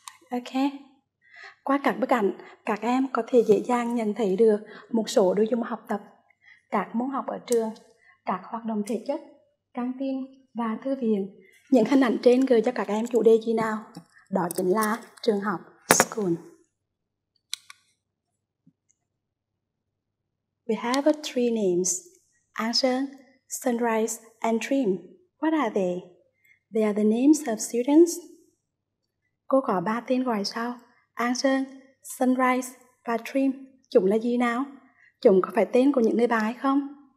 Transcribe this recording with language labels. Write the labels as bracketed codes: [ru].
[vi] Okay. Qua các bức ảnh, các em có thể dễ dàng nhận thấy được một số nội dung học tập, các môn học ở trường, các hoạt động thể chất, căng tin và thư viện. Những hình ảnh trên gợi cho các em chủ đề gì nào? Đó chính là trường học, school. [en] We have three names, Anson, Sunrise, and Dream. What are they? They are the names of students. [vi] Cô có ba tên gọi sau, Anson, Sunrise và Dream. Chúng là gì nào? Chúng có phải tên của những người bạn hay không?